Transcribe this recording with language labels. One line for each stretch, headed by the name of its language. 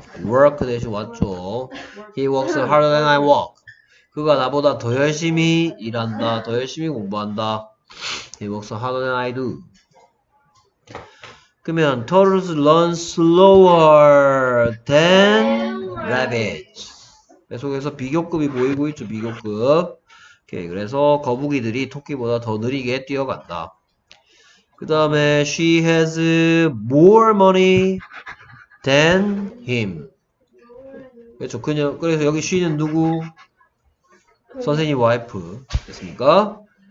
English: work
Korean: 대신 왔죠.
English: he works harder than I walk.
Korean: 그가 나보다 더 열심히 일한다. 더 열심히 공부한다.
English: He works harder than I do.
Korean: 그러면
English: turtles run slower than rabbits.
Korean: 계속해서 비교급이 보이고 있죠. 비교급. 오케이. 그래서 거북이들이 토끼보다 더 느리게 뛰어간다. 그 다음에
English: she has more money than him.
Korean: 그렇죠. 그녀, 그래서 여기 she는 누구? 선생님 와이프 됐습니까?